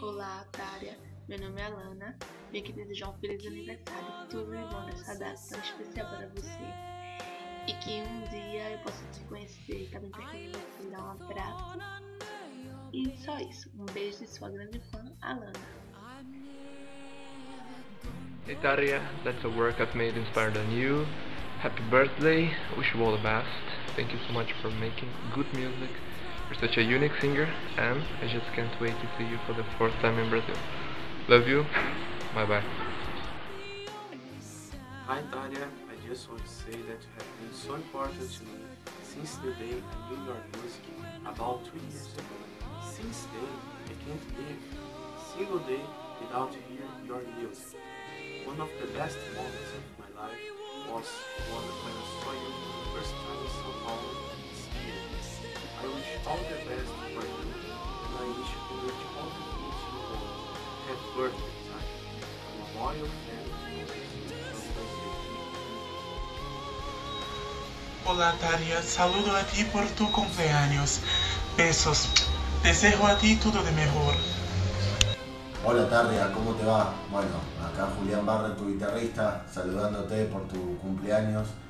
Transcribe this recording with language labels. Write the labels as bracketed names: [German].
[Portuguese] Olá, Tarja, meu nome é Alana, vim aqui desejar um feliz aniversário que tu me manda essa data tão especial para você. E que um dia eu possa te conhecer também, tá, pra que me dar um abraço. E só isso, um beijo de sua grande fã, Alana. [English] Hey Tarja, that's a work I've made inspired on you. Happy birthday, wish you all the best. Thank you so much for making good music. You're such a unique singer and I just can't wait to see you for the fourth time in Brazil. Love you, bye bye. Hi Tarja, I just want to say that you have been so important to me since the day I knew your music about 3 years ago. Since then, I can't live a single day without hearing your music. One of the best moments of my life was one when I saw you for the first time in São Paulo this year. I wish all the best for you and I wish you all the best for you. Happy birthday, Tarja. I'm a loyal fan of you from Brazil. [Spanish] Hola Tarja, saludo a ti por tu cumpleaños. Besos. Desejo a ti todo de mejor. Hola Tarja, ¿cómo te va? Bueno, acá Julian Barrett, tu guitarrista, saludándote por tu cumpleaños.